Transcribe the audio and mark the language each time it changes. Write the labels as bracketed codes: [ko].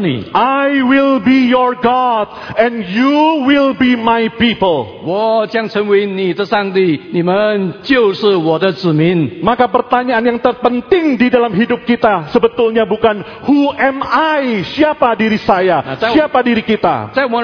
[en] I will be your God and you will be my people. [zh] 我将成为你的上帝，你们就是我的子民。 [id] Maka pertanyaan yang terpenting di dalam hidup kita sebetulnya bukan [en] who am I, [id] siapa diri saya, siapa diri kita.